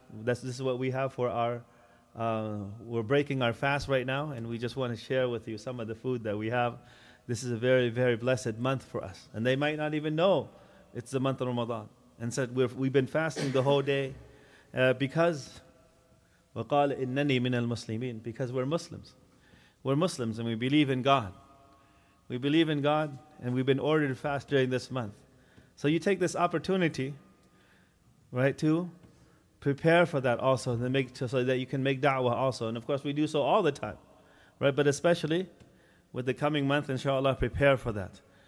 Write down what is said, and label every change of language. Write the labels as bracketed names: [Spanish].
[English] This is what we have for our, we're breaking our fast right now, and we just want to share with you some of the food that we have. This is a very, very blessed month for us. And they might not even know it's the month of Ramadan. And said, we've been fasting the whole day because... [Arabic] وَقَالَ إِنَّنِي مِنَ الْمُسْلِمِينَ, [English] because we're Muslims. We're Muslims and we believe in God. We believe in God and we've been ordered to fast during this month. So you take this opportunity, right, to prepare for that also, so that you can make da'wah also. And of course we do so all the time, right? But especially with the coming month, inshallah, prepare for that.